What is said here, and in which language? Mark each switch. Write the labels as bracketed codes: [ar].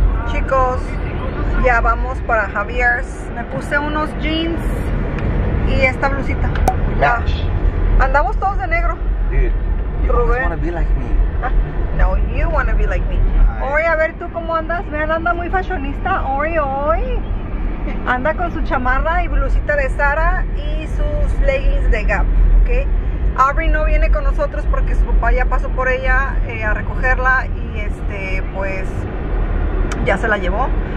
[es] Chicos, ya vamos para Javier's. Me puse unos jeans y esta blusita. Match. Andamos todos de negro. [en] Dude, you always want to be like me. No, you want to be like me. Ori, [es] a ver tú cómo andas. Mira, anda muy fashionista. Ori, hoy anda con su chamarra y blusita de Zara y sus leggings de Gap, ¿ok? Aubrey no viene con nosotros porque su papá ya pasó por ella a recogerla y pues ya se la llevó.